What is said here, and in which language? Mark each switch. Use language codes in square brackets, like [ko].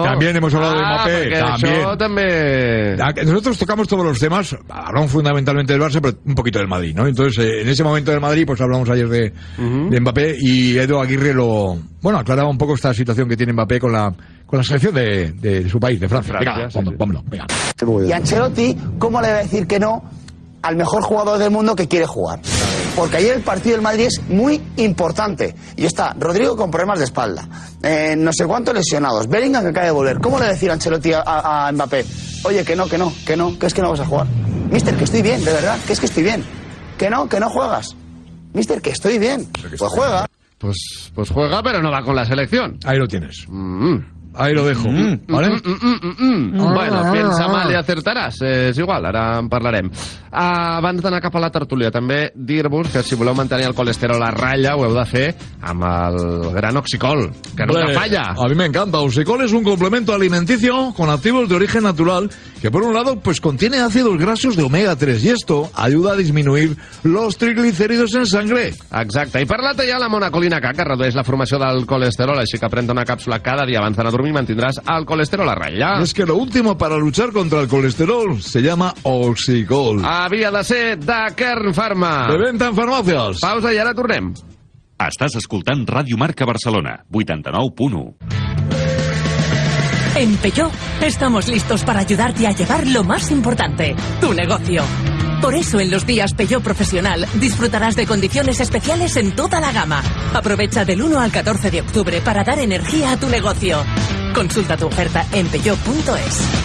[ca] També hem parlat d'Mbappé. [es] Nosotros tocamos todos los temas, hablamos fundamentalmente del Barça, pero un poquito del Madrid, ¿no? Entonces, en ese momento del Madrid, pues hablamos ayer de Mbappé, y Edu Aguirre lo... Bueno, aclaraba un poco esta situación que tiene Mbappé con la selección de su país, de Francia. Venga, vámonos. Y Ancelotti, ¿cómo le va a decir que no al mejor jugador del mundo que quiere jugar? Porque ayer el partido del Madrid es muy importante. Y está Rodrigo con problemas de espalda. No sé cuántos lesionados. Bellingham que acaba de volver. ¿Cómo le va a decir Ancelotti a Mbappé? Oye, que no, que es que no vas a jugar. Mister, que estoy bien, de verdad, que es que estoy bien. Que no juegas. Mister, que estoy bien. Pues juega. Pues juega, pero no va con la selección. Ahí lo tienes. Mm-hmm. Ahí lo dejo. ¿Vale? Bueno, piensa mal y acertarás. [ca] És igual, ara en parlarem. Abans d'anar cap a la tertúlia, també dir-vos que si voleu mantenir el colesterol a ratlla, ho heu de fer amb el gran Oxicol, que no falla. [es] A mí me encanta. Oxicol es un complemento alimenticio con activos de origen natural que, por un lado, pues contiene ácidos grasos de omega 3 y esto ayuda a disminuir los triglicéridos en sangre. [ca] Exacte. I parla-te ja la monacolina K, que redueix la formació del colesterol, així que pren una càpsula cada dia abans d'anar a dormir i mantindràs el colesterol a ratlla. [es] Es que lo último para luchar contra el colesterol se llama Oxicol. [ca] Havia de ser de Kern Pharma. [es] De venta en farmàcies. [ca] Pausa i ara tornem. Estàs escoltant Ràdio Marca Barcelona, 89.1. [es] En Peugeot estamos listos para ayudarte a llevar lo más importante, tu negocio. Por eso en los días Peugeot Profesional disfrutarás de condiciones especiales en toda la gama. Aprovecha del 1 al 14 de octubre para dar energía a tu negocio. Consulta tu oferta en Peugeot.es.